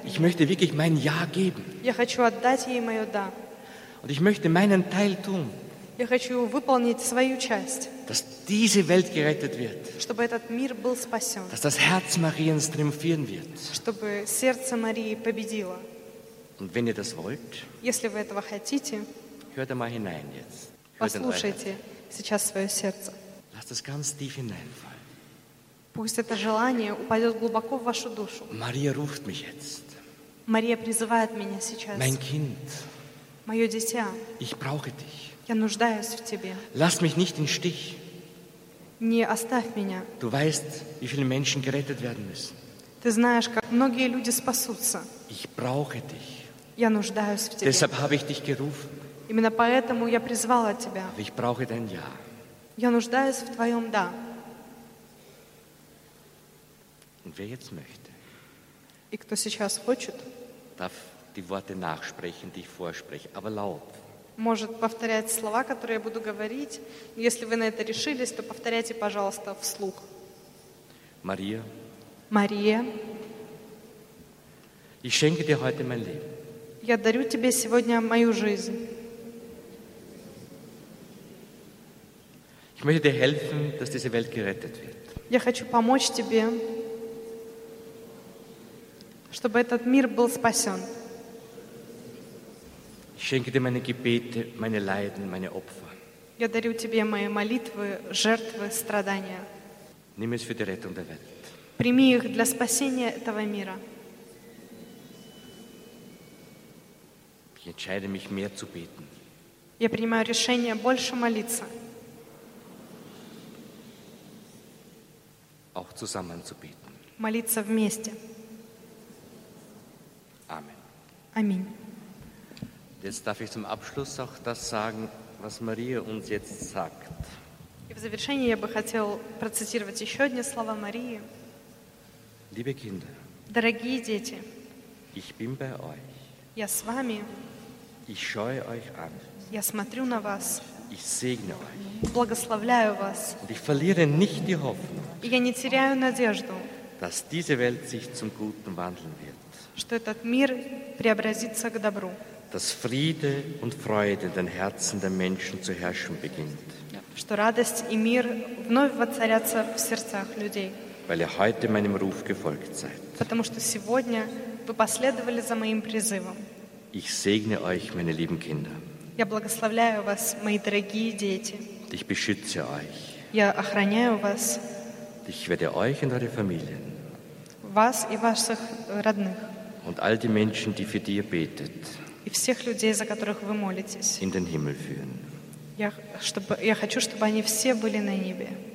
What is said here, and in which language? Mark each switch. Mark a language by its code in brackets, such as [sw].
[de] Ich möchte wirklich mein Ja geben. [ru] Я хочу отдать ей мое Да. [de] Und ich möchte meinen Teil tun. [ru] Я хочу выполнить свою часть. [de] Dass diese Welt gerettet wird. [ru] Чтобы этот мир был спасен. [de] Dass das Herz Mariens triumphieren wird. [ru] Чтобы сердце Марии победило. [de] Und wenn ihr das wollt, [ru] если вы этого хотите, [de] hört einmal hinein jetzt. [ru] Послушайте сейчас свое сердце. [de] Lasst es ganz tief hineinfallen. [ru] Пусть это желание упадет глубоко в вашу душу. [de] Maria ruft mich jetzt. [ru] Мария призывает меня сейчас. [de] Mein Kind. [ru] Мое дитя. [de] Ich brauche dich. [ru] Я нуждаюсь в тебе. [de] Lass mich nicht in Stich. [ru] Не оставь меня. [de] Du weißt, wie viele Menschen gerettet werden müssen. [ru] Ты знаешь, как многие люди спасутся. [de] Ich brauche dich. [ru] Я нуждаюсь в тебе. [de] Deshalb habe ich dich gerufen. [ru] Именно поэтому я призвала тебя. [de] Aber ich brauche dein Ja. [ru] Я нуждаюсь в твоем Да. [de] Und wer jetzt möchte, [ru] и кто сейчас хочет, [de] darf die Worte nachsprechen, die ich vorspreche, aber laut. [ru] Может повторять слова, которые я буду говорить. Если вы на это решились, то повторяйте, пожалуйста, вслух. [de] Maria. Maria. Ich schenke dir heute mein Leben. [ru] Я дарю тебе сегодня мою жизнь. [de] Ich möchte dir helfen, dass diese Welt gerettet wird. [ru] Я хочу помочь тебе, чтобы этот мир был спасен. [de] Ich schenke dir meine Gebete, meine Leiden, meine Opfer. [ru] Я дарю тебе мои молитвы, жертвы, страдания. [de] Nimm es für die Rettung der Welt. [ru] Прими их для спасения этого мира. [de] Ich entscheide mich mehr zu beten. [ru] Я принимаю решение больше молиться. [de] Auch zusammen zu beten. [ru] Молиться вместе. [de] Amen. [ru] Аминь. [de] Jetzt darf ich zum Abschluss auch das sagen, was Maria uns jetzt sagt. [ru] И в завершение я бы хотел процитировать еще одни слова Марии. [de] Liebe Kinder, [ru] дорогие дети, [de] ich bin bei euch. [ru] Я с вами. [de] Ich schaue euch an. [ru] Я смотрю на вас. [de] Ich segne euch. [ru] Благословляю вас. [de] Und ich verliere nicht die Hoffnung. [ru] И я не теряю надежду, [de] dass diese Welt sich zum Guten wandeln wird. [ru] Что этот мир преобразится к добру. [de] Dass Friede und Freude in den Herzen der Menschen zu herrschen beginnt. [ru] Что радость и мир вновь воцарятся в сердцах людей. [de] Weil ihr heute meinem Ruf gefolgt seid. [ru] Потому что сегодня вы последовали за моим призывом. [de] Ich segne euch, meine lieben Kinder. [ru] Я благословляю вас, мои дорогие дети. [de] Ich beschütze euch. [ru] Я охраняю вас. [de] Ich werde euch und eure Familien. [ru] вас и ваших родных. [de] Und all die Menschen, die für dich betet. [ru] И всех людей, за которых вы молитесь. [de] In den Himmel führen. [ru] Я хочу, чтобы они все были на небе.